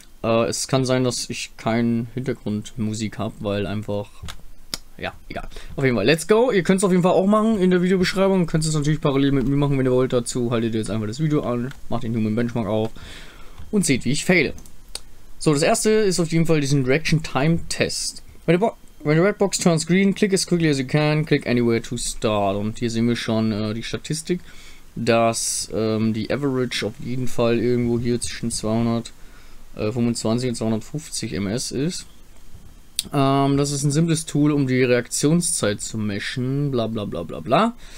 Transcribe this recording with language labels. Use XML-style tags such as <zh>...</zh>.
<de>Es kann sein, dass ich keinen Hintergrundmusik habe, weil einfach... Ja, egal. Auf jeden Fall,</de> <en>let's go.</en> <de>Ihr könnt es auf jeden Fall auch machen in der Videobeschreibung. Könnt es natürlich parallel mit mir machen, wenn ihr wollt. Dazu haltet ihr jetzt einfach das Video an, macht den Human Benchmark auf und seht, wie ich faile. So, das erste ist auf jeden Fall diesen Reaction Time Test.</de> <en>When the red box turns green, click as quickly as you can, click anywhere to start.</en> <de>Und hier sehen wir schon die Statistik, dass die Average auf jeden Fall irgendwo hier zwischen 225 und 250 ms ist. Das ist ein simples Tool, um die Reaktionszeit zu messen, bla bla bla bla bla.</de>